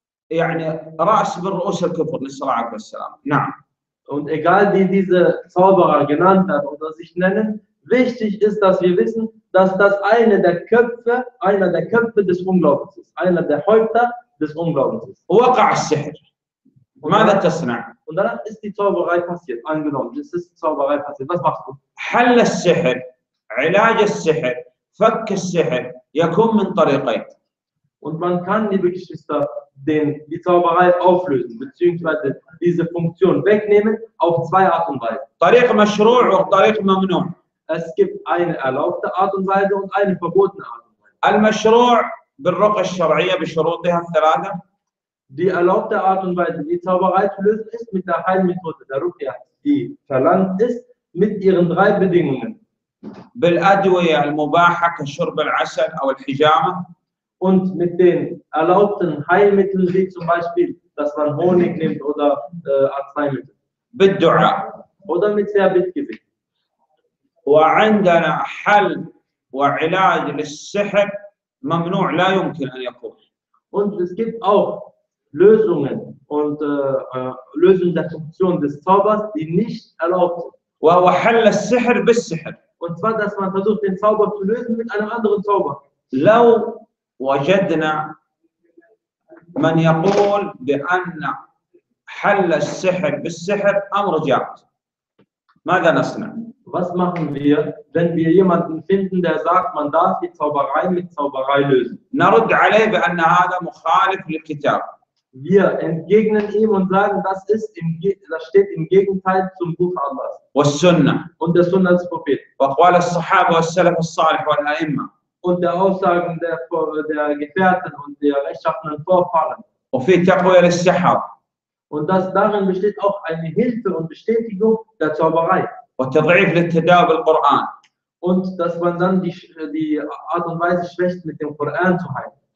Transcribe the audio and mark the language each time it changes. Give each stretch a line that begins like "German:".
Arabic: يعني رأس من رؤوس الكفر نسأل الله عليه السلام نعم.
German: Und egal wie diese Zauberer genannt hat oder sich nennen, wichtig ist, dass wir wissen, dass das eine der Köpfe, einer der Köpfe des Unglaubens ist, einer der Häupter des Unglaubens ist.
Arabic: وقع السحر. ماذا تصنع؟
German: Und dann ist die Zauberei passiert. Angenommen, es ist die Zauberei passiert. Was machst du?
Arabic: حل السحر، علاج السحر، فك السحر يكون من طريقين.
German: Und man kann, liebe Geschwister, die Zauberei auflösen bzw. diese Funktion wegnehmen auf zwei Art und Weise.
Arabic: طريق مشروع وطريق ممنوع.
German: Es gibt eine erlaubte Art und Weise und eine verbotene Art und Weise.
Arabic: المشروع بالرقى الشرعية بشروطها الثلاثة.
German: Die erlaubte Art und Weise, die Zauberei zu lösen, ist mit der Heilmethode der Rukya, die verlangt ist, mit ihren drei Bedingungen.
Arabic: بالأدوية المباحة كشرب العسل أو الحجامة.
German: Und mit den erlaubten Heilmitteln, wie zum Beispiel, dass man Honig nimmt oder Arzneimittel.
Arabic: بالدُعَاء.
German: Oder mit der Bittgebet.
Arabic: وعندنا حل وعلاج للسحر ممنوع لا يمكن أن يكون.
German: Und es gibt auch Lösungen und Lösungen der Funktion des Zaubers, die nicht erlaubt sind.
Arabic: وهو حل السحر بالسحر.
German: Und zwar, dass man versucht, den Zauber zu lösen mit einem anderen Zauber.
Arabic: لو وجدنا من يقول بأن حل السحر بالسحر أمر جائز. ماذا نصنع؟
German: Was machen wir, wenn wir jemanden finden, der sagt, man darf die Zauberei mit Zauberei lösen?
Arabic: نرد عليه بأن هذا مخالف للكتاب.
German: Wir entgegnen ihm und sagen, das steht im Gegenteil zum Buch Allahs.
Arabic: والسنة.
German: Und der Sunna des Propheten.
Arabic: وأقوال الصحابة والسلف الصالح والأئمة.
German: Und der Aussagen der Gefährten und der rechtschaffenen Vorfahren.
Arabic: وفي تقوية للسحر.
German: Und das darin besteht auch eine Hilfe und Bestätigung der Zauberei.
Arabic: وتضعيف للتداب القرآن.
German: Und dass man dann die Art und Weise schwächt, mit dem Koran zu heilen.